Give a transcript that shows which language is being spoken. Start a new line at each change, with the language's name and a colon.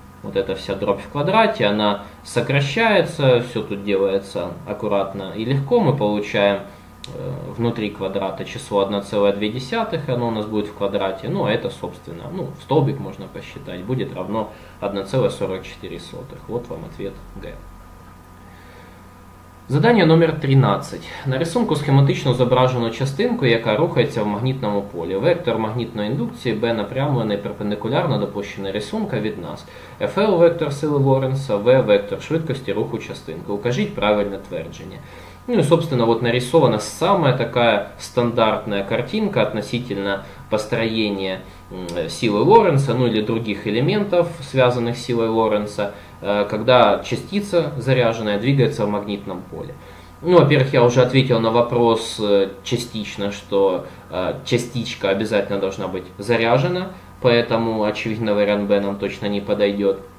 Russian: вот эта вся дробь в квадрате, она сокращается, все тут делается аккуратно и легко, мы получаем внутри квадрата число 1,2, оно у нас будет в квадрате, ну а это, собственно, ну, в столбик можно посчитать, будет равно 1,44. Вот вам ответ Г. Задание номер 13.
Ukrainian: На рисунку схематично зображену частинку, яка рухається в магнітному полі. Вектор магнітної індукції B напрямлений перпендикулярно до площини рисунка від нас. FL – вектор сили Лоренса, V – вектор швидкості руху частинки. Укажіть правильне твердження.
Russian: Ну і, собственно,
Ukrainian: от нарисована саме така стандартна картинка
Russian: относительно построєння сили Лоренса, ну или других элементов, связанных с силой Лоренса, когда частица заряженная двигается в магнитном поле. Ну, во-первых, я уже ответил на вопрос частично, что частичка обязательно должна быть заряжена, поэтому очевидно вариант Б нам точно не подойдет.